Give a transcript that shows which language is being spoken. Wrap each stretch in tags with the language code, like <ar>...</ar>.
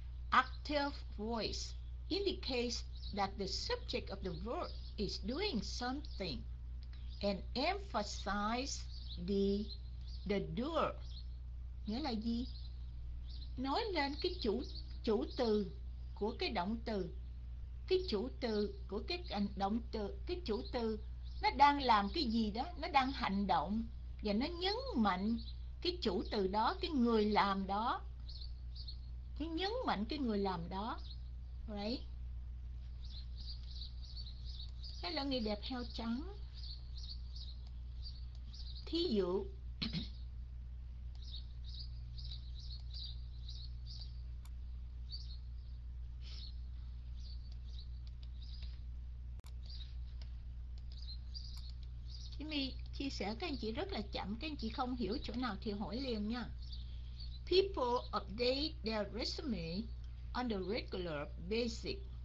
<en>Active voice indicates that the subject of the verb is doing something and emphasize the doer.</en> <vi>Nghĩa là gì? Nói lên cái chủ từ của cái động từ. Cái chủ từ của cái động từ, cái chủ từ nó đang làm cái gì đó, nó đang hành động và nó nhấn mạnh cái chủ từ đó, cái người làm đó. Cái nhấn mạnh cái người làm đó. Right. Hello người đẹp heo trắng. Thí dụ. Mi chia sẻ các anh chị rất là chậm, các anh chị không hiểu chỗ nào thì hỏi liền nha.</vi> <en>People update their resume on a regular basis.</en>